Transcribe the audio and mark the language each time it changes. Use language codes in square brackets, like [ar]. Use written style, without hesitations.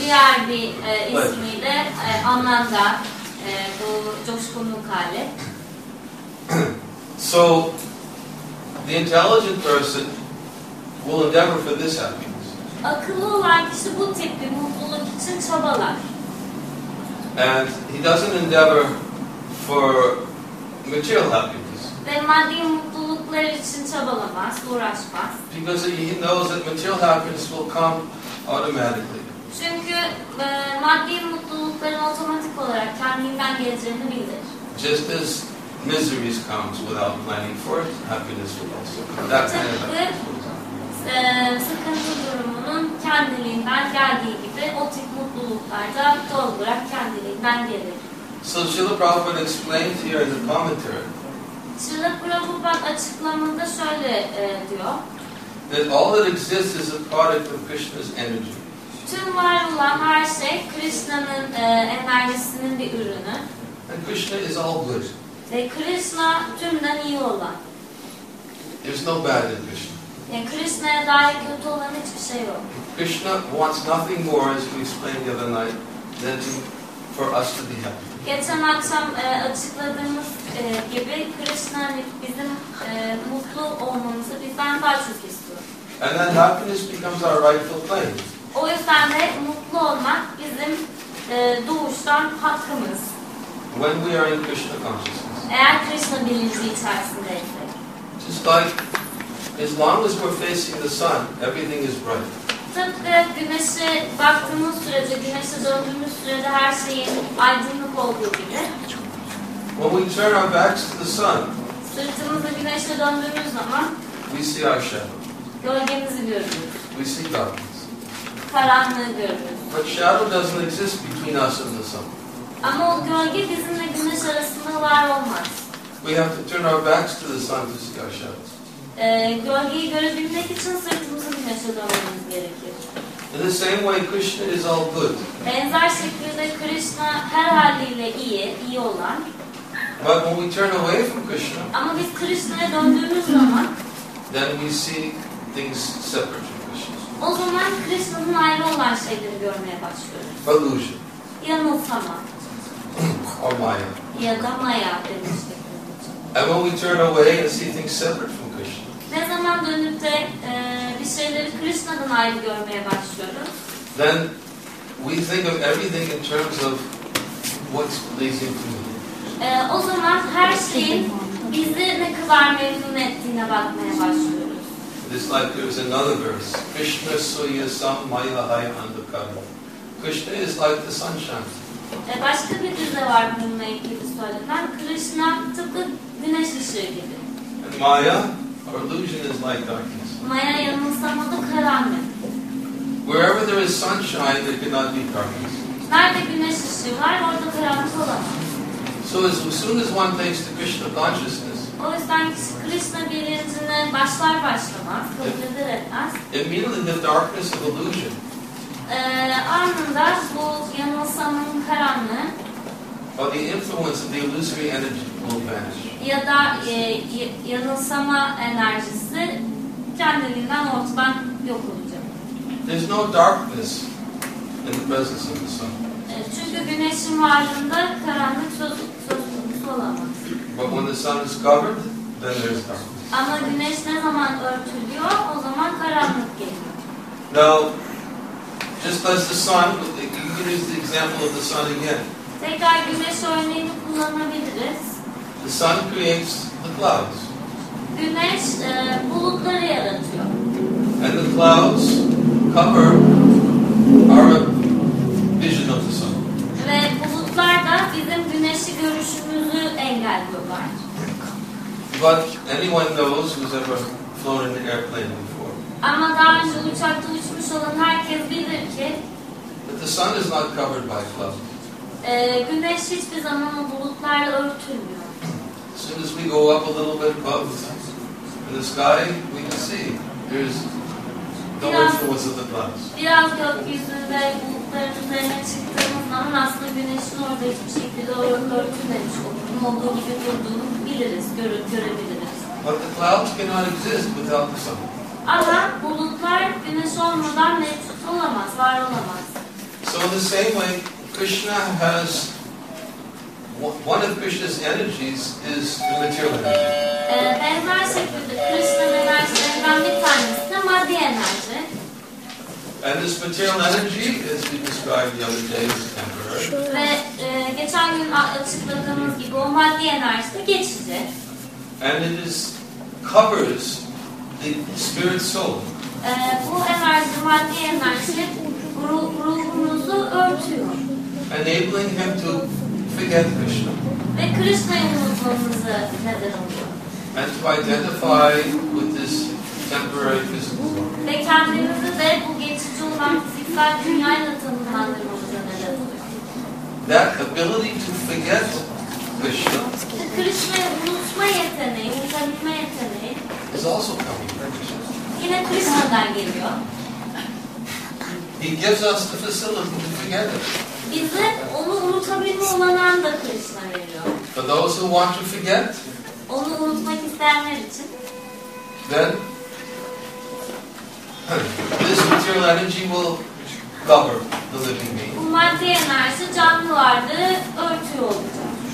[tr] Diğer bir ismi de Ananda, bu coşkunluk hali. [en] So, the intelligent person will endeavor for this happiness. [tr] Akıllı olan kişi bu tip bir mutluluk için çabalar. [en] And he doesn't endeavor for material happiness. [tr] Ve maddi mutluluklar için çabalamaz, uğraşmaz. [en] Because he knows that material happiness will come automatically. [tr] Çünkü maddi mutlulukların otomatik olarak kendinden geleceğini bilir. [en] Just as miseries comes without planning for it, happiness will also come. That kind of [tr] sıkıntı durumunun kendiliğinden geldiği gibi o tip mutluluklar da doğal olarak kendiliğinden gelir. [en] So Srila Prabhupada explains here in the commentary. [tr] Srila Prabhupada açıklamada şöyle diyor. [en] That all that exists is a product of Krishna's energy. [tr] Tüm var olan her şey Krishna'nın enerjisinin bir ürünü. [en] And Krishna is all good. [tr] Ve Krishna tümden iyi olan. [en] There's no bad in Krishna. [tr] Yani Krishna'ya dair kötü olan hiçbir şey yok. [en] Krishna wants nothing more, as we explained the other night, than for us to be happy. [tr] Geçen akşam açıkladığımız gibi Krishna bizim mutlu olmamızı bizden daha çok istiyor. [en] And then happiness becomes our rightful claim. [tr] O yüzden de mutlu olmak bizim doğuştan hakkımız. [en] When we are in Krishna consciousness. [tr] Eğer Krishna bilinci içerisindeysek. [en] Just like as long as we're facing the sun, everything is bright. [tr] Tıpkı güneşe baktığımız sürece, güneşe döndüğümüz sürece her şeyin aydınlık olduğu gibi. [en] When we turn our backs to the sun. [tr] Sırtımızı güneşe döndüğümüz zaman. [en] We see our shadow. [tr] Gölgemizi görüyoruz. [en] We see darkness. [tr] Karanlığı görüyoruz. [en] But shadow doesn't exist between us and the sun. [tr] Ama o gölge bizimle güneş arasında var olmaz. [en] We have to turn our backs to the sun to see our shadows. [tr] Gölgeyi görebilmek için sırtımızı güneşe dönmemiz gerekiyor. [en] In the same way, Krishna is all good. [tr] Benzer şekilde Krishna her haliyle iyi, iyi olan. [en] But when we turn away from Krishna. [tr] Ama biz Krishna'ya döndüğümüz zaman. [en] Then we see things separate from Krishna. [tr] O zaman Krishna'nın ayrı olan şeyleri görmeye başlıyoruz. [en] Illusion. [tr] Yanılsama. [en] Or Maya. [tr] Ya da Maya. [en] And when we turn away and see things separate from Krishna. [tr] Ne zaman dönüp de bir şeyleri Krishna'dan ayrı görmeye başlıyoruz. [en] Then we think of everything in terms of what's pleasing to me. [tr] O zaman her şeyin bizi ne kadar memnun ettiğine bakmaya başlıyoruz. [en] This like there is another verse. [bn] Krishna suya sam maya hai andukaro. [en] Krishna is like the sunshine. [tr] Başka bir dizi var bununla ilgili söylenen. Krishna tıpkı güneş ışığı gibi. [en] And maya, or illusion is like darkness. [tr] Maya yanılsama da karanlık. [en] Wherever there is sunshine, there cannot be darkness. [tr] Nerede güneş ışığı var, orada karanlık olamaz. [en] So as soon as one thinks to Krishna consciousness, [tr] o yüzden Krishna bilincine başlar başlamaz, kabul eder etmez. [en] Immediately the darkness of illusion. [tr] Anında bu karanlığı [en] or the influence of the illusory energy will vanish. [tr] Ya da yanılsama enerjisi kendiliğinden ortadan yok olacak. [en] There's no darkness in the presence of the sun. [tr] Çünkü güneşin varlığında karanlık söz konusu olamaz. [en] But when the sun is covered, then there's darkness. [tr] Ama güneş ne zaman örtülüyor, o zaman karanlık geliyor. [en] Now, just as the sun, you can use the example of the sun again. [tr] Tekrar güneş örneğini kullanabiliriz. [en] The sun creates the clouds. [tr] Güneş bulutları yaratıyor. [en] And the clouds cover our vision of the sun. [tr] Ve bulutlar da bizim güneşi görüşümüzü engelliyorlar. [en] But anyone knows who's ever flown in an airplane before. [tr] Ama daha önce uçakta uçmuş olan herkes bilir ki. [en] But the sun is not covered by clouds. [tr] Güneş hiçbir zaman bulutlarla örtülmüyor. [en] As soon as we go up a little bit above in the sky, we can see there's the influence of the clouds. [tr] Biraz gökyüzünde bulutların üzerine çıktığımız zaman aslında güneşin orada hiçbir şekilde örtülmemiş olduğunu biliriz, görebiliriz. [en] But the clouds cannot exist without the sun. [tr] Ama bulutlar güneş olmadan mevcut olamaz, var olamaz. [en] So in the same way, Krishna has one of Krishna's energies is the material energy. [tr] Benzer şekilde Krishna'nın enerjilerinden bir tanesi de maddi enerji. [en] And this material energy, as we described the other day, is temporary. [tr] Ve geçen gün açıkladığımız gibi o maddi enerji de geçici. [en] And it is covers the spirit soul. [tr] Bu enerji, maddi enerji ruhunuzu örtüyor. [en] Enabling him to forget Krishna. [tr] Ve Krishna'yı unutmamızı neden oluyor? [en] And to identify with this temporary physical world. [tr] Ve kendimizi de bu geçici olan fiziksel dünyayla tanımlandırmamıza neden oluyor? [en] That ability to forget Krishna. [tr] Krishna'yı unutma yeteneği, unutabilme yeteneği. [en] Is also coming from Krishna. [tr] Yine Krishna'dan geliyor. [en] He gives us the facility to forget it. [tr] Bize onu unutabilme olanağını da Krishna veriyor. [en] For those who want to forget, [tr] onu unutmak isteyenler için, [en] then this material energy will cover the living being. [tr] Bu maddi enerji canlı varlığı örtüyor olacak.